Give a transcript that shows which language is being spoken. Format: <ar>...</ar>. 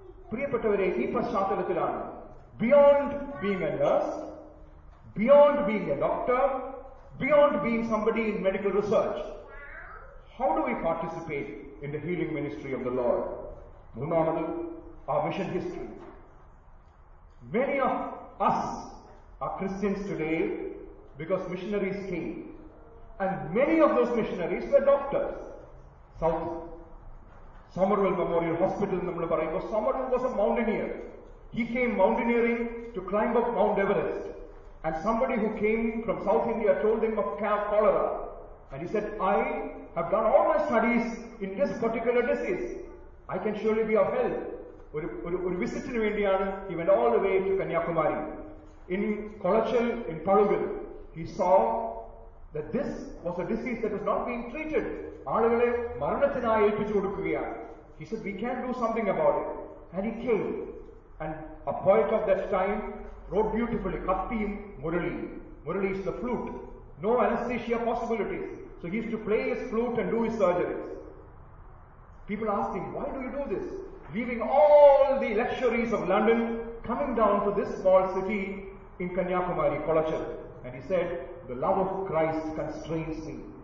<ml>പ്രിയപ്പെട്ടവരെ, ഈ പശ്ചാത്തലത്തിലാണ്</ml> <en>Beyond being a nurse, beyond being a doctor, beyond being somebody in medical research, how do we participate in the healing ministry of the Lord.</en> <ml>മൂന്നാമത്, ആ mission history.</ml> <en>Many of us are Christians today because missionaries came, and many of those missionaries were doctors. South Somerville Memorial Hospital,</en> <ml>nammal parayumbo</ml> <en>Somerville was a mountaineer. He came mountaineering to climb up Mount Everest, and somebody who came from South India told him of cholera, and he said, I have done all my studies in this particular disease, I can surely be of help.</en> <ml>ഒരു വിസിറ്റിന് വേണ്ടിയാണ്</ml> <en>He went all the way to Kanyakumari. In Kolachal, in Palukal, he saw that this was a disease that was not being treated.</en> <ml>ആളുകളെ മരണത്തിനായി ഏൽപ്പിച്ചു കൊടുക്കുകയാണ്.</ml> <en>He said we can do something about it. And he came, and a poet of that time wrote beautifully,</en> <ml>കത്തിയും മുരളിയും.</ml> <en>Murali is the flute, no anaesthesia possibilities. So he is to play his flute and do his surgeries. People ask him, why do you do this, leaving all the luxuries of London, coming down to this small city in Kanyakumari, Kolachal. And he said, the love of Christ constrains me.</en>